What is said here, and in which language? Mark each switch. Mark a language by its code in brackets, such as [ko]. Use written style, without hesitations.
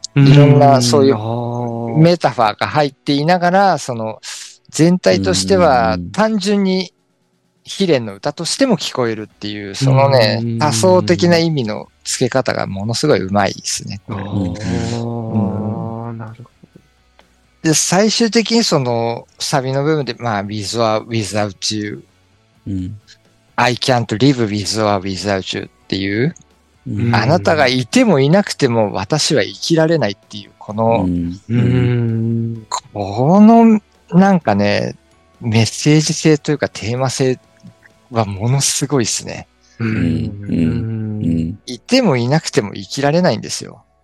[ja] いろんなそういうメタファーが入っていながら、その全体としては単純に悲恋の歌としても聞こえるっていう、そのね、多層的な意味の付け方がものすごい上手いですね。あ、なるほど。で、最終的にその、サビの部分で、まあ、 [en] with or without you.、 [ja] うん、 [en] I can't live with or without you [ja] っていう、うん、あなたがいてもいなくても私は生きられないっていう、この、うんうん、この、なんかね、メッセージ性というかテーマ性はものすごいですね、うんうん。いてもいなくても生きられないんですよ。